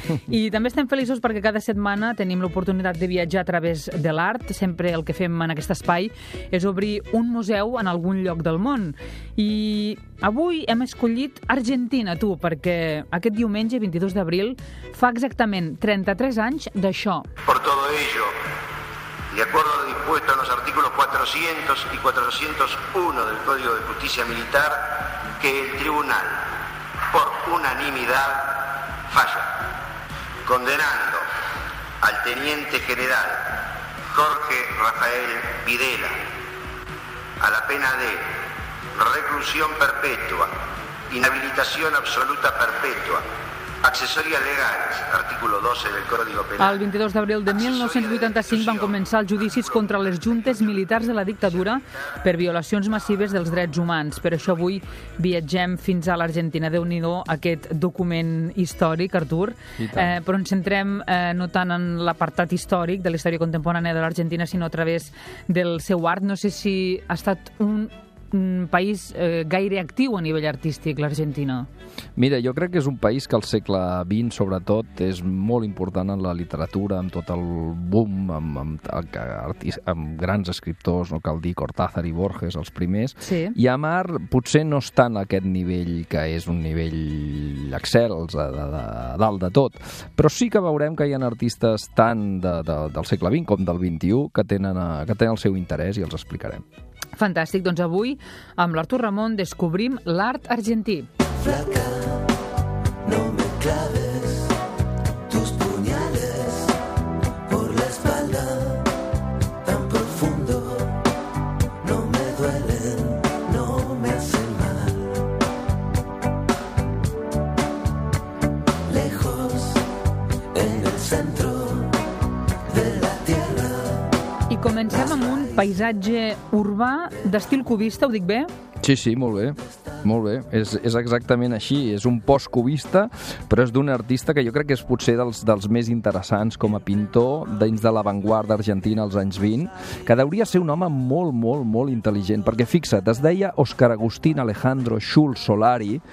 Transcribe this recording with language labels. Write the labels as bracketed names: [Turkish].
[Catalan] I també estem feliços perquè cada setmana tenim l'oportunitat de viatjar a través de l'art. Sempre el que fem en aquest espai és obrir un museu en algun lloc del món. I avui hem escollit Argentina, tu, perquè aquest diumenge, 22 d'abril, fa exactament 33 anys d'això. [Spanish] Por todo ello, de acuerdo a lo dispuesto en los artículos 400 y 401 del Código de Justicia Militar, que el tribunal, por unanimidad, falla, condenando al teniente general Jorge Rafael Videla a la pena de reclusión perpetua, inhabilitación absoluta perpetua, Accessoria legat, artículo 12 del Código Penal. [Catalan] El 22 d'abril de 1985 van començar els judicis contra les juntes militars de la dictadura per violacions massives dels drets humans. Per això avui viatgem fins a l'Argentina. Déu-n'hi-do aquest document històric, Artur. Però ens centrem no tant en l'apartat històric de la història contemporània de l'Argentina, sinó a través del seu art. No sé si ha estat un país gaire actiu a nivell artístic, l'Argentina. Mira, jo crec que és un país que al segle XX, sobretot, és molt important en la literatura, amb tot el boom, amb grans escriptors, no cal dir Cortázar i Borges, els primers. Sí. I Amar potser no està en aquest nivell, que és un nivell excels, a dalt de tot. Però sí que veurem que hi ha artistes tant del segle XX com del XXI que tenen el seu interès i els explicarem. Fantàstic, doncs avui amb l'Artur Ramon descobrim l'art argentí. [Spanish] Flaca, no me claves tus puñales por la espalda tan profundo. No me duelen, no me hacen mal. Lejos, en el centro de la tierra. [Catalan] I comencem amb un paisatge urbà d'estil cubista, ho dic bé? Sí, sí, molt bé. Molt bé, és exactament així, és un postcubista, però és d'un artista que jo crec que és potser dels més interessants com a pintor dins de l'avantguarda argentina als anys 20, que deuria ser un home molt, molt, molt intel·ligent, perquè fixa't, es deia Oscar Agustín Alejandro Schull Solari,